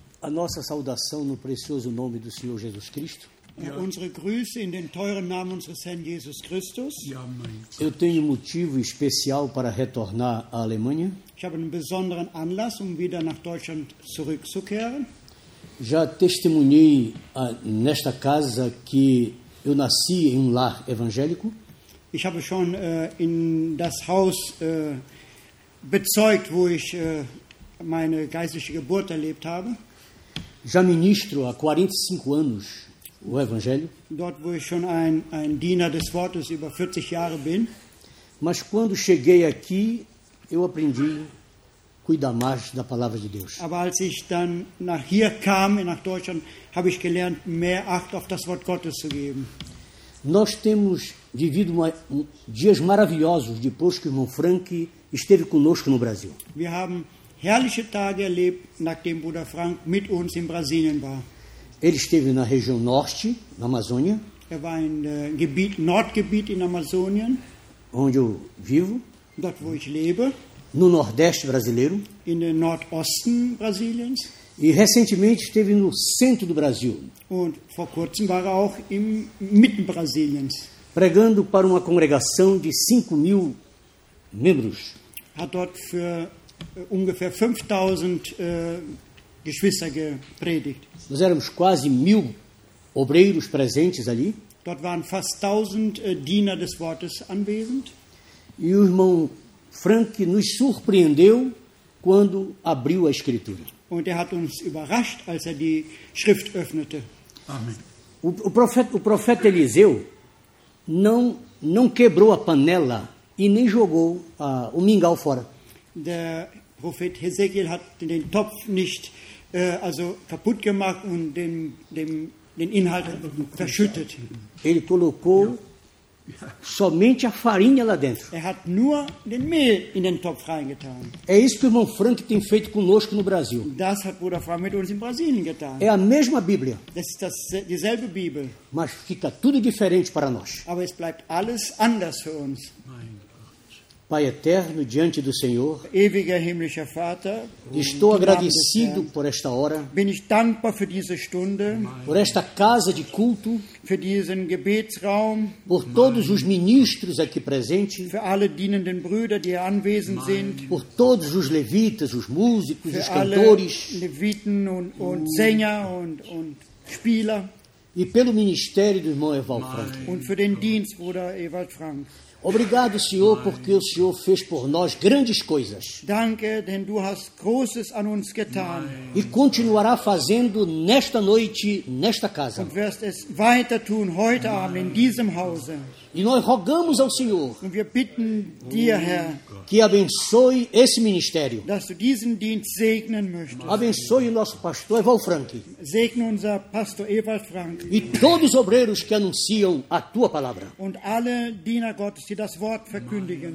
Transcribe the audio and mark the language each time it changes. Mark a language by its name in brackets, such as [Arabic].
[Portuguese] A nossa saudação no precioso nome do Senhor Jesus Cristo. [German] Ja. Unsere Grüße in den teuren Namen unseres Herrn Jesus Christus. [Portuguese] Ja, eu tenho motivo especial para retornar à Alemanha. [German] Ich habe einen besonderen Anlass, wieder nach Deutschland zurückzukehren. [Portuguese] Já testemunhei nesta casa que eu nasci em um lar evangélico. [German] Ich habe schon in das Haus bezeugt, wo ich meine geistliche Geburt erlebt habe. [Portuguese] Já ministro há 45 anos o Evangelho. [German] Dort, wo ich schon ein Diener des Wortes über 40 Jahre bin. [Portuguese] Mas quando cheguei aqui, eu aprendi cuidar mais da palavra de Deus. [German] Aber als ich dann nach hier kam, nach Deutschland, habe ich gelernt, mehr Acht auf das Wort Gottes zu geben. [Portuguese] Nós temos vivido dias maravilhosos depois que o irmão Frank esteve conosco no Brasil. [German] Wir haben herrliche Tage erlebt, nachdem Bruder Frank mit uns in Brasilien war. [Portuguese] Ele esteve na região norte, na Amazônia. [German] Er war in Gebiet, Nordgebiet in Amazonien. [Portuguese] Onde eu vivo. [German] Dort, wo ich lebe. [Portuguese] No Nordeste brasileiro. [German] In den Nordosten Brasiliens. [Portuguese] E recentemente esteve no centro do Brasil. [German] Und vor kurzem war er auch im Mitten Brasiliens. [Portuguese] Pregando para uma congregação de 5 mil membros. [German] Hat dort für ungefähr 5000 Geschwister gepredigt. [Portuguese] Nós éramos quase 1000 obreiros presentes ali. [German] Dort waren fast 1000 Diener des Wortes anwesend. [Portuguese] E o irmão Frank nos surpreendeu quando abriu a Escritura. [German] Und er hat uns überrascht, als er die Schrift öffnete. Amen. [Portuguese] O profeta Eliseu não quebrou a panela e nem jogou o mingau fora. [German] Der Prophet Hesekiel hat den Topf nicht also kaputt gemacht und den Inhalt verschüttet. [Portuguese] Ele colocou somente a farinha lá dentro. [German] Er hat nur den Mehl in den Topf reingetan. [Portuguese] É isso que o irmão Frank tem feito conosco no Brasil. [German] Das hat Bruder Frank mit uns in Brasilien getan. [Portuguese] É a mesma Bíblia. [German] Das ist dieselbe Bibel. [Portuguese] Mas fica tudo diferente para nós. [German] Aber es bleibt alles anders für uns. [Portuguese] Pai eterno, diante do Senhor, [German] ewiger himmlischer Vater, [Portuguese] estou agradecido por esta hora, [German] bin ich dankbar für diese Stunde, [Portuguese] por esta casa de culto, [German] für diesen Gebetsraum, [Portuguese] por todos os ministros aqui presentes, [German] für alle dienenden Brüder, die anwesend sind, [Portuguese] por todos os levitas, os músicos, os cantores, [German] Leviten und Sänger und Spieler, [Portuguese] e pelo ministério do irmão Ewald Frank, [German] und für den Dienst, Bruder Ewald Frank. [Portuguese] Obrigado, Senhor, porque o Senhor fez por nós grandes coisas. [German] Danke, denn du hast Großes an uns getan. [Portuguese] E continuará fazendo nesta noite, nesta casa. [German] Und wirst es weiter tun heute Abend in diesem Hause. [Portuguese] E nós rogamos ao Senhor. [German] Und wir bitten dir, Herr, [Portuguese] que abençoe esse ministério. [German] Dass du diesen Dienst segnen möchtest. [Portuguese] Abençoe o nosso pastor Ewald Frank. [German] Segne unser Pastor Ewald Frank. [Portuguese] E todos os obreiros que anunciam a tua palavra. [German] Und alle Diener Gottes, die das Wort verkündigen.